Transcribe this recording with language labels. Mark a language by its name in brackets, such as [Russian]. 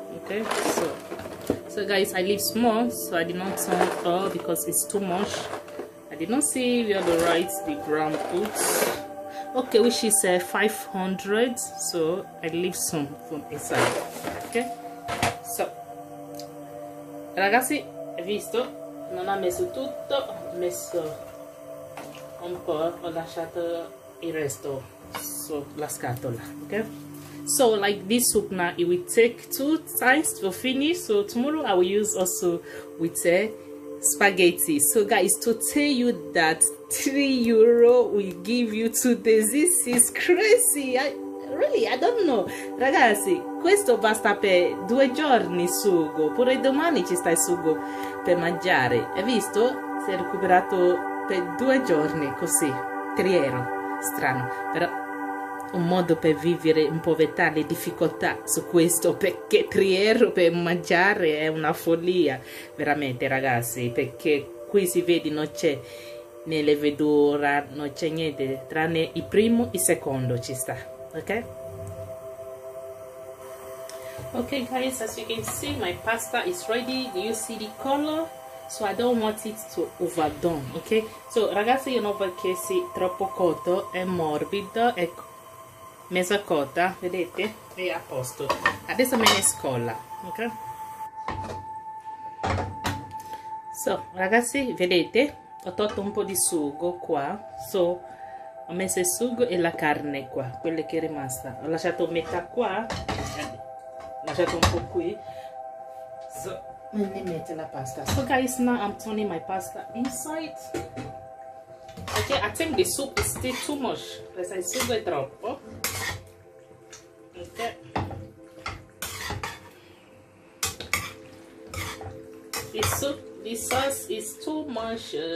[English] Okay, so guys, I leave small, so I did not turn it all because it's too much. I did not see if you have the right the gram put. Okay, which is 500, so I leave some from inside. Okay, so [Italian] ragazzi, hai visto? Non ha messo tutto, ho messo un po', ho lasciato il resto sulla scatola. [English] Okay, so like this soup now, it will take two times to finish. So tomorrow I will use also with spaghetti. So guys, to tell you that €3 will give you 2 days, this is crazy. I don't know, [Italian] ragazzi, questo basta per 2 giorni sugo, pure domani ci stai sugo per mangiare, hai visto? Si è recuperato per 2 giorni così, €3, strano, però un modo per vivere in povertà, le difficoltà su questo, perché €3 per mangiare è una follia, veramente ragazzi, perché qui si vede non c'è né le verdure, non c'è niente, tranne il primo e il secondo ci sta. [English] Okay guys, as you can see, my pasta is ready. Do you see the color? So I don't want it to overdone. Okay, so [Italian] ragazzi, io non perché si troppo cotto, è morbido, è mezza cotta, vedete, è a posto. Adesso me ne scolla. [English] Okay, so [Italian] ragazzi, vedete, ho tolto un po' di sugo qua, so ho messo il sugo e la carne qua, quella che è rimasta. Ho lasciato metà qua, ho lasciato un po' qui. [English] So, let me [Italian] mette la pasta. [English] So guys, now I'm turning my pasta inside. Okay, I think the soup is still too much. [Italian] Perché il sugo è troppo. [English] Okay. The soup, the sauce is too much.